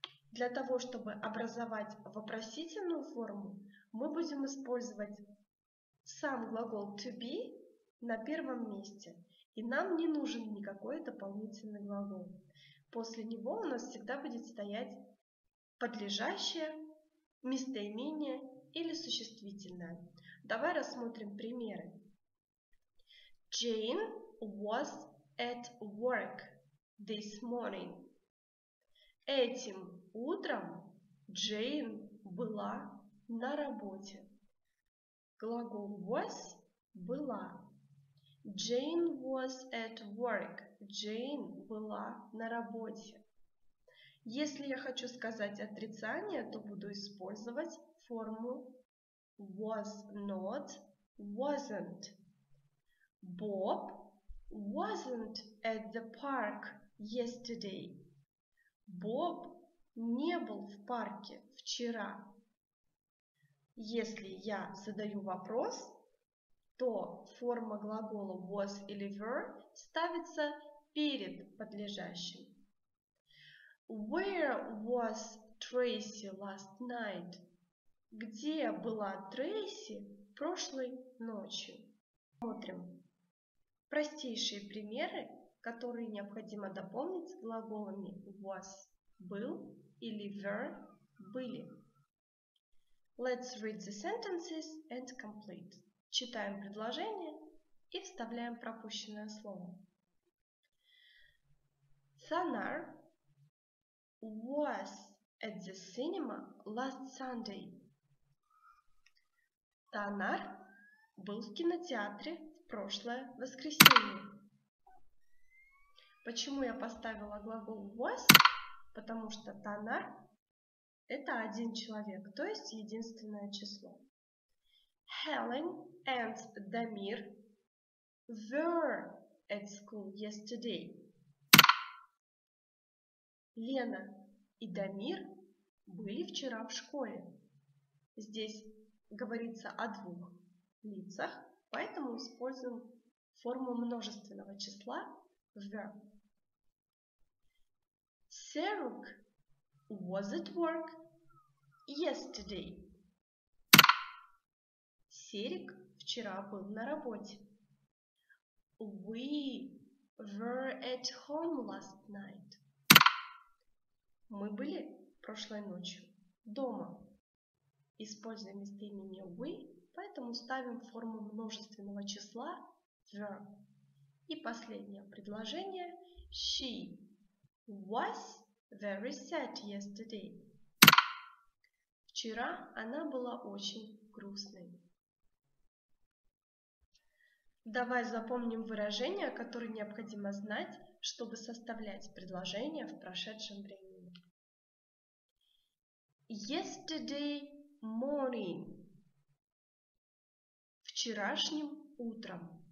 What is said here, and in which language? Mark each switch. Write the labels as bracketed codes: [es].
[ru] Для того, чтобы образовать вопросительную форму, мы будем использовать сам глагол to be на первом месте. И нам не нужен никакой дополнительный глагол. После него у нас всегда будет стоять подлежащее, местоимение или существительное. Давай рассмотрим примеры. [en] Jane was at work this morning. [ru] Этим утром Джейн была на работе. Глагол was – была. [en] Jane was at work. [ru] Джейн была на работе. Если я хочу сказать отрицание, то буду использовать форму was not, wasn't. [en] Bob wasn't at the park yesterday. [ru] Боб не был в парке вчера. Если я задаю вопрос, то форма глагола was или were ставится перед подлежащим. [en] Where was Tracy last night? [ru] Где была Трейси прошлой ночью? Смотрим простейшие примеры, которые необходимо дополнить глаголами was – был или were – были. [en] Let's read the sentences and complete. [ru] Читаем предложение и вставляем пропущенное слово. [en] Sanar was at the cinema last Sunday. [ru] Sanar был в кинотеатре в прошлое воскресенье. Почему я поставила глагол was? Потому что Tanar – это один человек, то есть единственное число. [en] Helen and Damir were at school yesterday. [ru] Лена и Дамир были вчера в школе. Здесь говорится о двух лицах, поэтому используем форму множественного числа were. [en] Serug, was at work yesterday. [ru] Серик вчера был на работе. [en] We were at home last night. [ru] Мы были прошлой ночью дома. Используя местоимение we, поэтому ставим форму множественного числа were. И последнее предложение. [en] She was very sad yesterday. [ru] Вчера она была очень грустной. Давай запомним выражения, которые необходимо знать, чтобы составлять предложения в прошедшем времени. [en] Yesterday morning. [ru] Вчерашним утром.